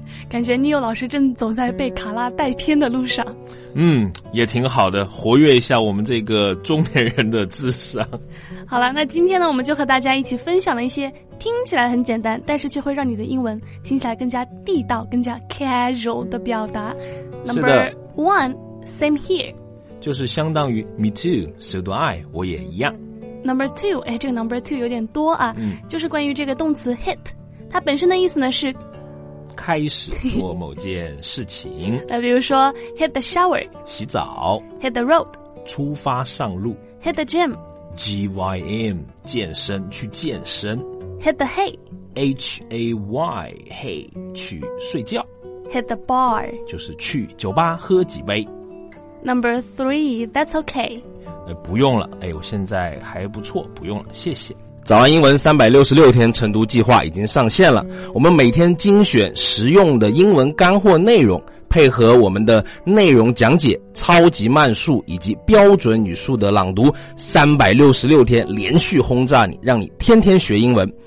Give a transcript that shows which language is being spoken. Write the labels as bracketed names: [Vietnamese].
[Chinese] 感觉Neo老师正走在被卡拉带偏的路上。嗯，也挺好的，活跃一下我们这个中年人的智商。好了，那今天呢，我们就和大家一起分享了一些听起来很简单，但是却会让你的英文听起来更加地道、更加 casual 的表达。 [English] Number one, same here. [Chinese] 就是相当于 [English] me too, so do I, [Chinese] 我也一样。 [English] Number two, [Chinese] 哎，这个 number two 有点多啊，就是关于这个动词 hit， 它本身的意思呢是开始做某件事情。那比如说 [English] hit the shower， [Chinese] 洗澡 [English] ；hit the road， [Chinese] 出发上路 [English] ；hit the gym， [Chinese] gym 健身，去健身 [English] ；hit the hay， [Chinese] hay hay 去睡觉 [English] ；hit the bar， [Chinese] 就是去酒吧喝几杯。 [English] Number three, that's okay. [Chinese] 不用了，哎，我现在还不错，不用了，谢谢。早安英文366天晨读计划已经上线了，我们每天精选实用的英文干货内容，配合我们的内容讲解、超级慢速以及标准语速的朗读，366天连续轰炸你，让你天天学英文。